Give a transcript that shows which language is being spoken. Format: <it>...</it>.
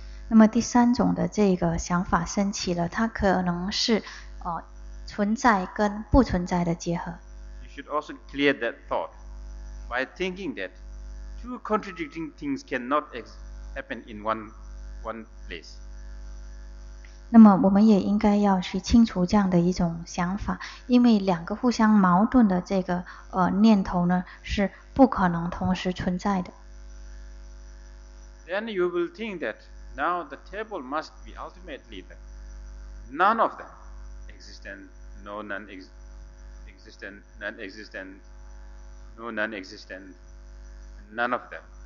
<zh>那么第三种的这个想法升起了，它可能是存在跟不存在的结合。</zh> <en>You should also clear that thought by thinking that two contradicting things cannot happen in one place.</en> <zh>那么我们也应该要去清除这样的一种想法，因为两个互相矛盾的这个念头呢，是不可能同时存在的。</zh> <en>Then you will think that now the table must be ultimately that none of them existent, no non-existent, non-existent, no non-existent, none of them.</en>